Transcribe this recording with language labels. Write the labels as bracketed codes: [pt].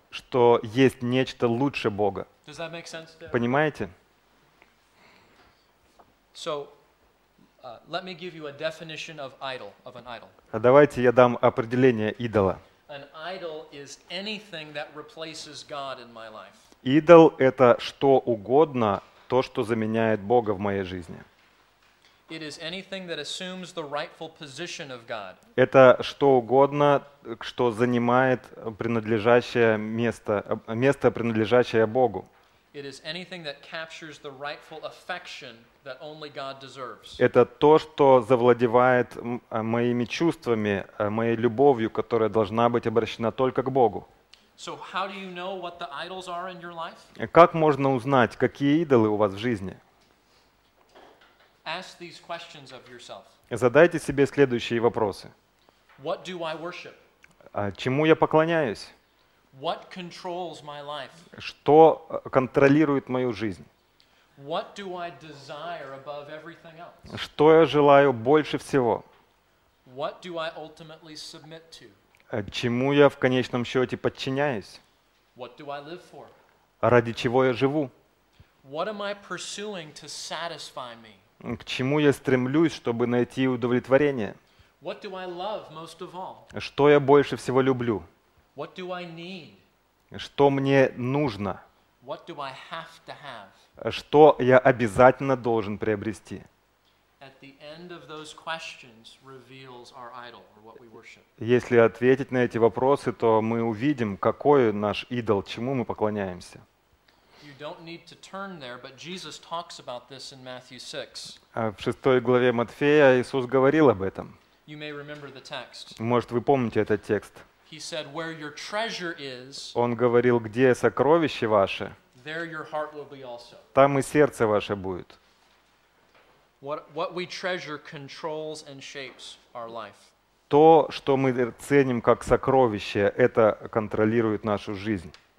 [ru] Что есть нечто лучше Бога. [en] Does that make sense? [ru] Понимаете? [en] So, let me give you a definition of idol, of an idol. [ru] Давайте я дам определение идола. [en] An idol is anything that replaces God in my life. [ru] Идол — это что угодно, то, что заменяет Бога в моей жизни. [en] It is anything that assumes the rightful position of God. [ru] Это что угодно, что занимает принадлежащее место, место, принадлежащее Богу. [en] It is anything that captures the rightful affection that only God deserves. [ru] Это то, что завладевает моими чувствами, моей любовью, которая должна быть обращена только к Богу. [en] So how do you know what the idols are in your life? [ru] Как можно узнать, какие идолы у вас в жизни? [en] Ask these questions of yourself. [ru] Задайте себе следующие вопросы. [en] What do I worship? [ru] Чему я поклоняюсь? [en] What controls my life? [ru] Что контролирует мою жизнь? [en] What do I desire above everything else? [ru] Что я желаю больше всего? [en] What do I ultimately submit to? [ru] Чему я в конечном счете подчиняюсь? [en] What do I live for? [ru] Ради чего я живу? [en] What am I pursuing to satisfy me? [ru] К чему я стремлюсь, чтобы найти удовлетворение? [en] What do I love most of all? [ru] Что я больше всего люблю? [en] What do I need? [ru] Что мне нужно? [en] What do I have to have? [ru] Что я обязательно должен приобрести? [en] At the end of those questions reveals our idol, or what we worship. [ru] Если ответить на эти вопросы, то мы увидим, какой наш идол, чему мы поклоняемся. [en] You don't need to turn there, but Jesus talks about this in Matthew 6. [ru] В 6 главе Матфея Иисус говорил об этом. [en] You may remember the text. [ru] Может, вы помните этот текст. [en] He said, where your treasure is, [ru] Он говорил, где сокровище ваше, [en] there your heart will be also. [ru] Там и сердце ваше будет. [en] What we treasure controls and shapes our life. [ru] То, что мы ценим как сокровище, это контролирует нашу жизнь.